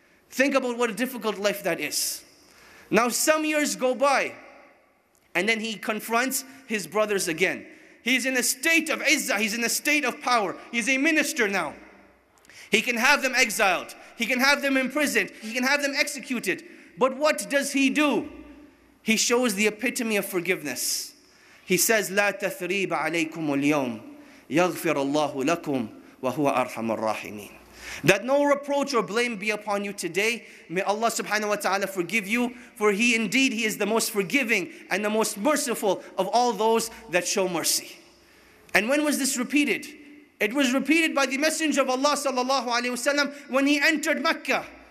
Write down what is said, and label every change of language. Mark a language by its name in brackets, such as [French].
[English] Think about what a difficult life that is. Now some years go by, and then he confronts his brothers again. He's in a state of izzah, he's in a state of power. He's a minister now. He can have them exiled. He can have them imprisoned. He can have them executed. But what does he do? He shows the epitome of forgiveness. [Arabic] He says, لا تثريب عليكم اليوم يغفر الله لكم وهو أرحم الراحمين. [English] That no reproach or blame be upon you today. May Allah subhanahu wa ta'ala forgive you. For he indeed, he is the most forgiving and the most merciful of all those that show mercy. And when was this repeated? It was repeated by the Messenger of Allah sallallahu alayhi wa sallam when he entered Mecca.